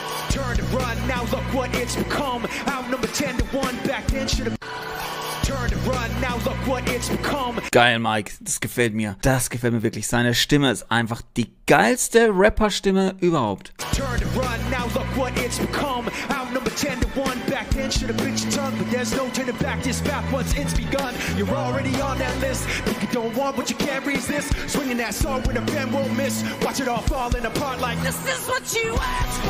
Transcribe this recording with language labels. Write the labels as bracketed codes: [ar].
[en] Turn to run, now look what it's become. Outnumber 10 to 1, back then should have. Turn to run, now look what it's become. [de] Geil, Mike, das gefällt mir. Das gefällt mir wirklich. Seine Stimme ist einfach die geilste Rapper-Stimme überhaupt. [en] Turn to run, now look what it's become. Outnumber 10 to 1, back then should have bit your tongue. But there's no turning back, this back once it's begun. You're already on that list. Don't want what you can't resist. Swinging that sword with a pen won't miss. Watch it all falling apart like this is what you asked for.